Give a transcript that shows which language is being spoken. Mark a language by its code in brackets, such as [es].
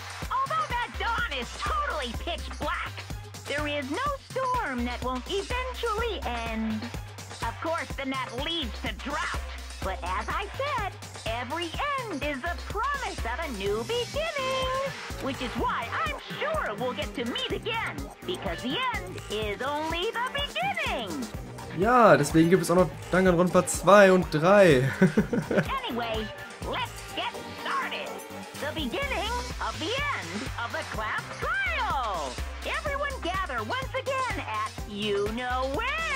[en] Although that dawn is totally pitch black, there is no storm that won't eventually end. Of course, then that leads to drought. But as I said, every end is a promise of a new beginning. Which is why I'm sure we'll get to meet again. Because the end is only the beginning. [de] Ja, deswegen gibt es auch noch Danganronpa 2 und 3. [en] Anyway, let's get started. The beginning of the end of the class trial. Everyone gather once again at you know where.